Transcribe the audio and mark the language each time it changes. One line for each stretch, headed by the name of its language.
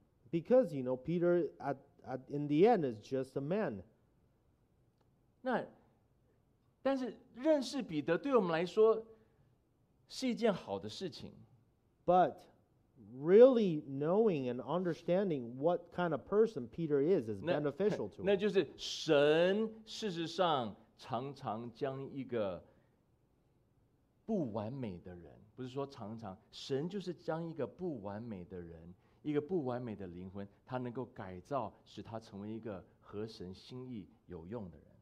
English: Because, you know, Peter at in the end is just a man.
Chinese: 那但是认识彼得对我们来说是一件好的事情。
English: But really knowing and understanding what kind of person Peter is beneficial to him.
Chinese: 那就是神事实上常常将一个不完美的人，不是说常常，神就是将一个不完美的人，一个不完美的灵魂，他能够改造，使他成为一个合神心意有用的人。